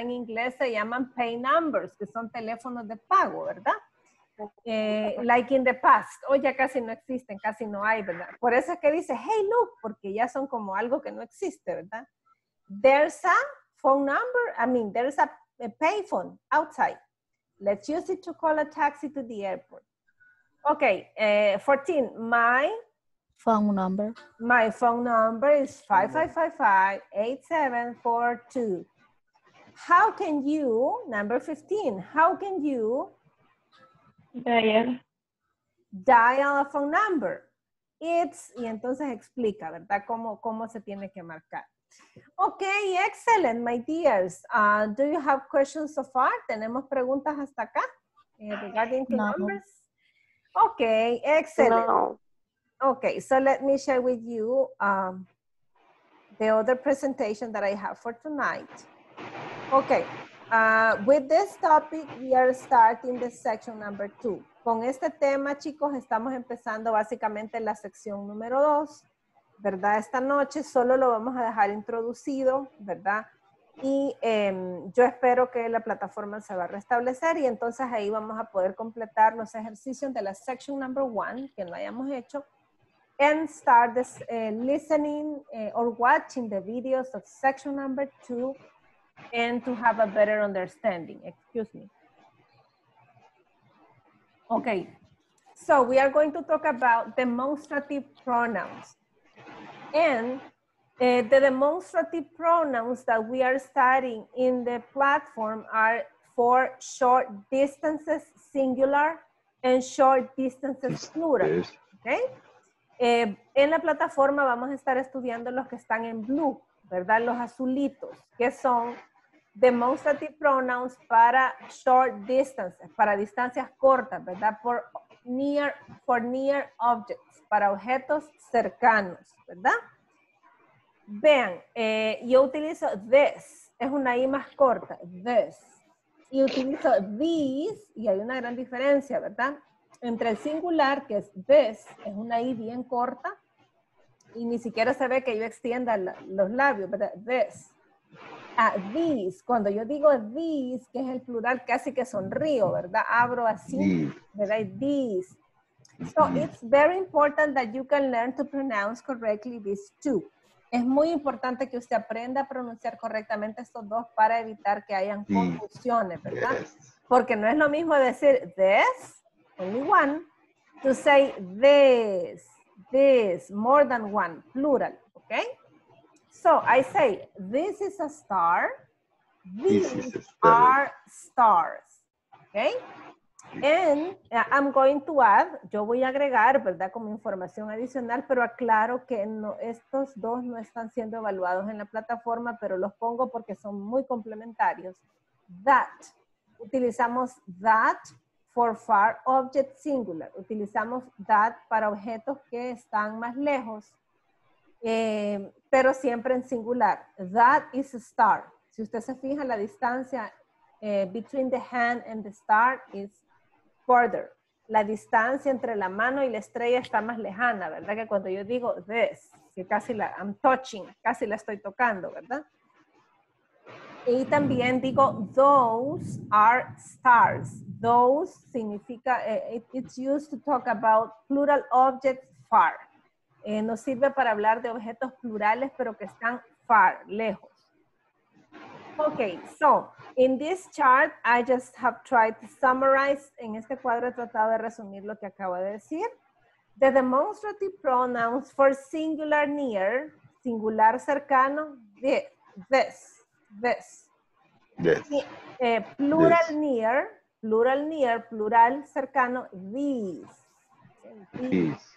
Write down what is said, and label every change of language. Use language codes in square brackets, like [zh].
[es] En inglés se llaman pay numbers, que son teléfonos de pago, ¿verdad? [en] Like in the past. [es] Oh, ya casi no existen, casi no hay, ¿verdad? Por eso es que dice, [en] hey, look, [es] porque ya son como algo que no existe, ¿verdad? [en] There's a phone number. There's a payphone outside. Let's use it to call a taxi to the airport. Okay, 14. My phone number is 555-8742. How can you, number 15, how can you dial a phone number? It's, [es] y entonces explica, ¿verdad? ¿Cómo se tiene que marcar? [en] Okay, excellent, my dears. Do you have questions so far? [es] ¿Tenemos preguntas hasta acá? [en] Regarding the numbers? Okay, excellent. No. Okay, so let me share with you the other presentation that I have for tonight. Okay, with this topic, we are starting the section number 2. [es] Con este tema, chicos, estamos empezando básicamente la sección número 2. ¿Verdad? Esta noche solo lo vamos a dejar introducido, ¿verdad? Y yo espero que la plataforma se va a restablecer y entonces ahí vamos a poder completar los ejercicios de la section number 1, que no hayamos hecho, [en] and start this, listening or watching the videos of section number 2 and to have a better understanding. Excuse me. Okay, so we are going to talk about demonstrative pronouns. And the demonstrative pronouns that we are studying in the platform are for short distances, singular, and short distances, plural, okay? [es] En la plataforma vamos a estar estudiando los que están en blue, ¿verdad? Los azulitos, que son [en] demonstrative pronouns [es] para [en] short distances, [es] para distancias cortas, ¿verdad? [en] For near objects, [es] para objetos cercanos, ¿verdad? Vean, yo utilizo this, es una I más corta, this. Y utilizo these, y hay una gran diferencia, ¿verdad? Entre el singular, que es this, es una I bien corta, y ni siquiera se ve que yo extienda los labios, ¿verdad? This. These, cuando yo digo these, que es el plural, casi que sonrío, ¿verdad? Abro así, ¿verdad? These. [en] So, it's very important that you can learn to pronounce correctly these two. [es] Es muy importante que usted aprenda a pronunciar correctamente estos dos para evitar que hayan confusiones, ¿verdad? Yes. Porque no es lo mismo decir this, [en] only one, to say this, this, more than one, [es] plural, ¿ok? [en] So, I say, this is a star, these are stars, ¿ok? And I'm going to add, [es] yo voy a agregar, ¿verdad? Como información adicional, pero aclaro que no, estos dos no están siendo evaluados en la plataforma, pero los pongo porque son muy complementarios. [en] That, utilizamos that for far object singular. [es] Utilizamos that para objetos que están más lejos, pero siempre en singular. [en] That is a star. [es] Si usted se fija, la distancia [en] between the hand and the star is further. [es] La distancia entre la mano y la estrella está más lejana, ¿verdad? Que cuando yo digo this, que casi la, [en] I'm touching, [es] casi la estoy tocando, ¿verdad? Y también digo, [en] those are stars. Those significa, it's used to talk about plural objects far. [es] Nos sirve para hablar de objetos plurales, pero que están far, lejos. [en] Okay, so in this chart, I just have tried to summarize. [es] En este cuadro he tratado de resumir lo que acabo de decir. [en] The demonstrative pronouns for singular near, [es] singular cercano, [en] this. Plural this. Near, plural near, [es] plural cercano, [en] these.